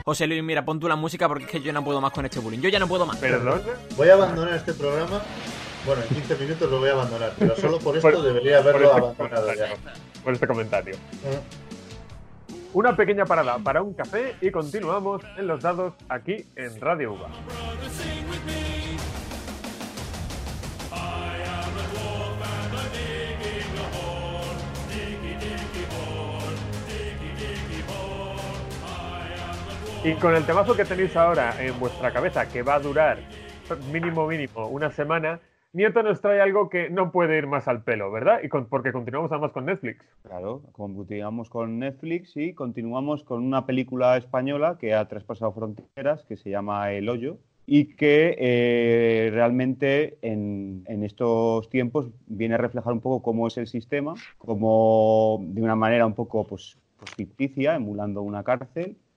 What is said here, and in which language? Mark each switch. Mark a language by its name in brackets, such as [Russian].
[Spanish] José Luis, mira, pon tú la música porque es que yo no puedo más con este bullying. Yo ya no puedo más. ¿Perdón? Voy a abandonar este programa. Bueno, en 15 minutos lo voy a abandonar, pero solo por esto debería haberlo abandonado ya. Por este comentario. Una pequeña parada para un café y continuamos en Los Dados aquí en Radio UBA. [English] I am a dwarf and I dig in the hole, diggy diggy hole. [Spanish] Y con el temazo que tenéis ahora en vuestra cabeza, que va a durar mínimo una semana, Nieto nos trae algo que no puede ir más al pelo, ¿verdad? Y porque continuamos además con Netflix. Claro, continuamos con Netflix y continuamos con una película española que ha traspasado fronteras, que se llama El Hoyo, y que realmente en estos tiempos viene a reflejar un poco cómo es el sistema, como de una manera un poco pues ficticia, emulando una cárcel,